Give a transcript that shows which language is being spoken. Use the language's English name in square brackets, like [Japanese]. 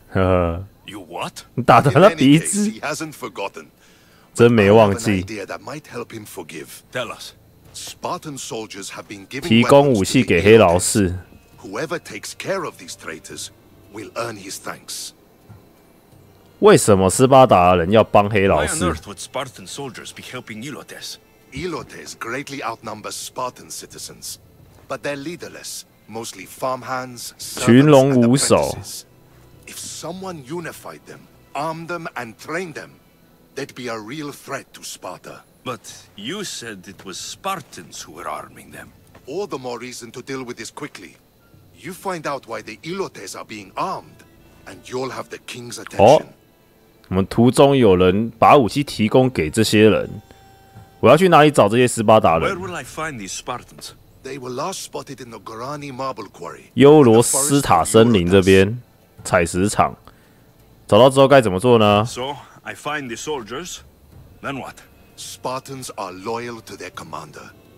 [English] 呵呵。 You what? [Chinese] 打断了鼻子。 [English] He hasn't forgotten. [Chinese] 真没忘记。 [English] I have an idea that might help him forgive. Tell us. Spartan soldiers have been given. [Chinese] 提供武器给黑劳士。 [English] Whoever takes care of these traitors. Will earn his thanks. [Chinese] 为什么斯巴达人要帮黑老师 [English] ？Why on earth would Spartan soldiers be helping Elotes? Elotes greatly outnumber Spartan citizens, but they're leaderless, mostly farmhands, servants, and apprentices. If someone unified them, armed them, and trained them, they'd be a real threat to Sparta. But you said it was Spartans who were arming them. All the more reason to deal with this quickly. You find out why the Elotes are being armed, and you'll have the king's attention. [Chinese] 哦，我们途中有人把武器提供给这些人。我要去哪里找这些斯巴达人 [English] ？Where will I find these Spartans? They were last spotted in the Gorani marble quarry. [Chinese] 优罗斯塔森林这边采石场。找到之后该怎么做呢 [English] ？So I find the soldiers. Then what? Spartans are loyal to their commander.